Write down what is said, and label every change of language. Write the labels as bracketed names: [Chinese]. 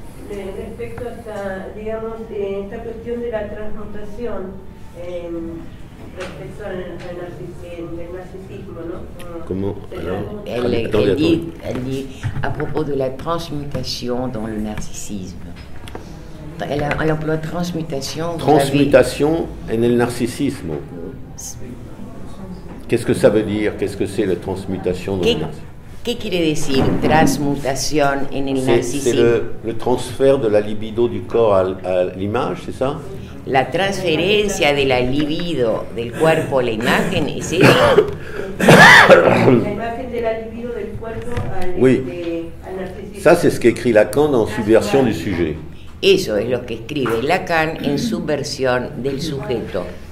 [Spanish] Respecto a esta, digamos, esta cuestión de la transmutación respecto al narcisismo, ¿no? ¿Cómo? [French] Elle dit à propos de la transmutation dans le narcissisme. Elle emploie transmutation. [Spanish] Transmutation en el narcisismo. [French] Qu'est-ce que ça veut dire? Qu'est-ce que c'est la transmutation dans le narcissisme? [Spanish] ¿Qué quiere decir transmutación en el narcisismo? [French] C'est le transfert de la libido du corps à l'image, c'est ça? [Spanish] La transferencia de la libido del cuerpo a la imagen, ¿es eso? La imagen de la libido del cuerpo [French] oui. [Spanish] Al narcisismo. [French] Ça c'est ce qu'écrit Lacan dans Subversion du sujet. [Spanish] Eso es lo que escribe Lacan en Subversión del sujeto.